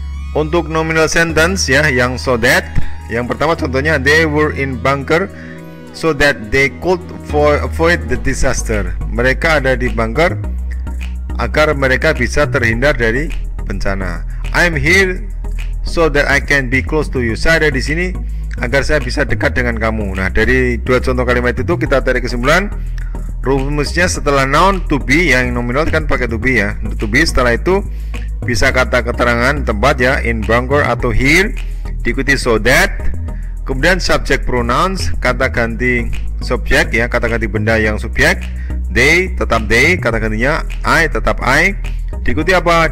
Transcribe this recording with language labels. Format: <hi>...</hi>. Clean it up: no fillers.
<id>Untuk nominal sentence ya, yang so that, yang pertama contohnya</id> <en>they were in bunker so that they could avoid the disaster.</en> <id>Mereka ada di bunker agar mereka bisa terhindar dari bencana.</id> <en>I'm here so that I can be close to you.</en> <id>Saya ada di sini agar saya bisa dekat dengan kamu. Nah, dari dua contoh kalimat itu kita tarik kesimpulan. Rumusnya setelah noun to be, yang nominal kan pakai to be ya. To be setelah itu bisa kata keterangan tempat ya, in Bangor atau here, diikuti so that, kemudian subject pronouns, kata ganti subjek ya, kata ganti benda yang subjek, they tetap they, kata gantinya I tetap I, diikuti apa?</id>